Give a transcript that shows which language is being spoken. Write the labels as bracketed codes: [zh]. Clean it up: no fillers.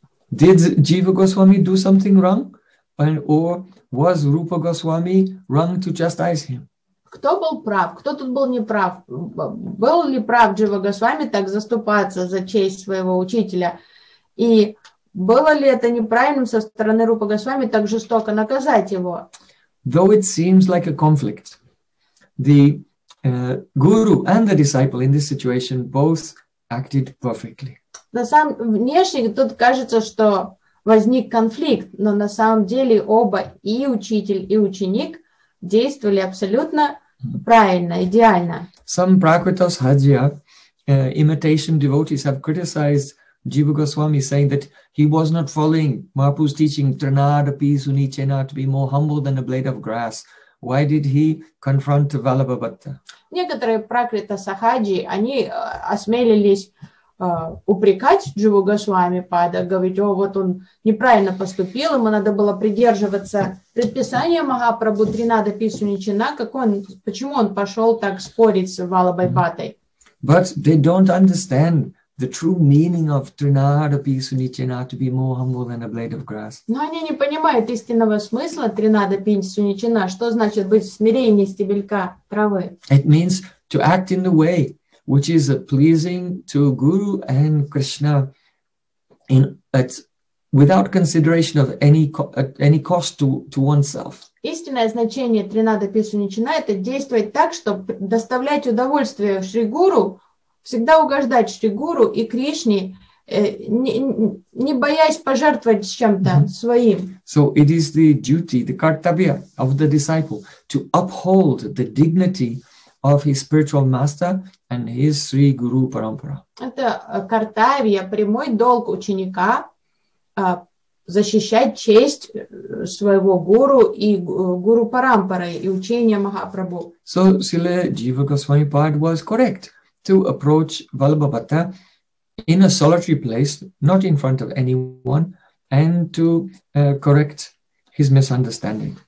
[en] Did Jiva Goswami do something wrong? Or was Rupa Goswami wrong to chastise him? [ru] Кто был прав? Кто тут был неправ? Был ли прав Джива Госвами так заступаться за честь своего учителя? И было ли это неправильным со стороны Рупа Госвами так жестоко наказать его? [en] Though it seems like a conflict, the guru and the disciple in this situation both acted perfectly. [ru] На самом внешне тут кажется, что возник конфликт, но на самом деле оба, и учитель, и ученик, действовали абсолютно правильно, идеально. [en] Some prakritas hajya, imitation devotees have criticized Jiva Goswami, saying that he was not following Mahaprabhu's teaching, Trinada Pisuni Chena, to be more humble than a blade of grass. Why did he confront Vallabhabhatta? [ru] Некоторые пракрита сахаджи, они осмелились упрекать Дживу Госвами пада, говорить, о, вот он неправильно поступил, ему надо было придерживаться предписания Махапрабху Тринада Писуни Чена, почему он пошел так спорить с Валлабхабхатой? [en] But they don't understand the true meaning of Trinada Pisuni Chena, to be more humble than a blade of grass. [ru] Но они не понимают истинного смысла Trinada Pisuni Chena. Что значит быть в смирении стебелька травы? [en] It means to act in the way which is pleasing to Guru and Krishna, without consideration of any cost to oneself. [ru] Истинное значение тринады песуничина – это действовать так, чтобы доставлять удовольствие Шри Гуру, всегда угождать Шри Гуру и Кришне, не боясь пожертвовать чем-то своим. [en] So it is the duty, the kartavya of the disciple to uphold the dignity of his spiritual master and his Sri Guru Parampara. [ru] Это картавья, прямой долг ученика защищать честь своего гуру и гуру Парампары и учения Махапрабху. [en] So Srila Jiva Goswami Pad was correct to approach Vallabhabhatta in a solitary place, not in front of anyone, and to correct his misunderstanding.